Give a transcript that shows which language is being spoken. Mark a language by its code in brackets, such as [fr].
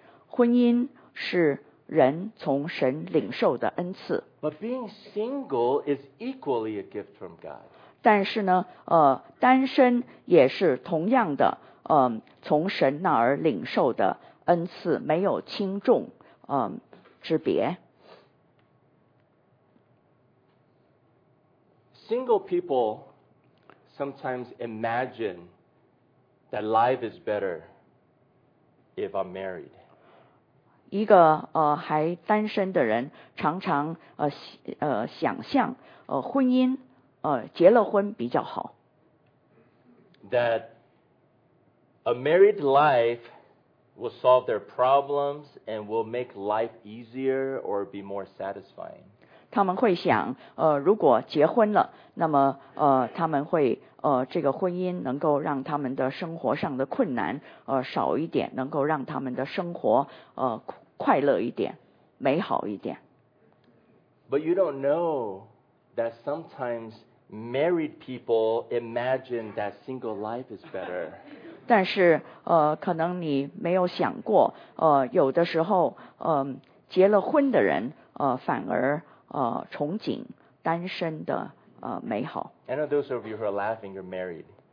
[zh] 婚姻是人从神领受的恩赐。 [en] But being single is equally a gift from God. [zh] 但是呢单身也是同样的从神那儿领受的恩赐，没有轻重之别。 [en] Single people sometimes imagine that life is better if I'm married. [zh] 一个还单身的人常常想象婚姻结了婚比较好。 [en] That a married life will solve their problems and will make life easier or be more satisfying. [zh] 他们会想如果结婚了，那么他们会这个婚姻能够让他们的生活上的困难少一点，能够让他们的生活快乐一点，美好一点。 [en] But you don't know that sometimes married people imagine that single life is better. [zh] 但是可能你没有想过有的时候结了婚的人反而憧憬单身的美好。 [en] I know those of you who are laughing, you're married.